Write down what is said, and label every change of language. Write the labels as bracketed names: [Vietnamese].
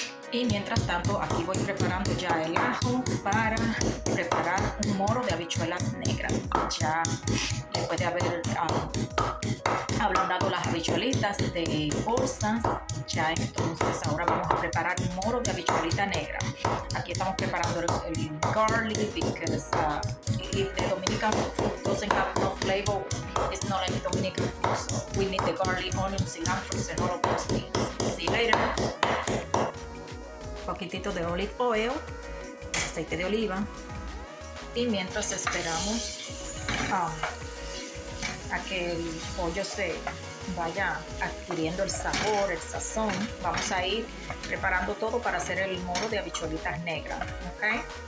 [Spanish] Y mientras tanto, aquí voy preparando ya el ajo para preparar un moro de habichuelas negras. Ya después de haber ablandado las habichuelitas de bolsas, ya entonces ahora vamos a preparar un moro de habichuelita negra. Aquí estamos preparando el garlic, porque es de [English] Dominican food, doesn't have no flavor, it's not like Dominican food, so we need the garlic, onion, cilantro, and all of those things. See you later. [Spanish] Poquitito de olive oil, aceite de oliva, y mientras esperamos a que el pollo se vaya adquiriendo el sabor, el sazón, vamos a ir preparando todo para hacer el moro de habichuelitas negras, ¿ok?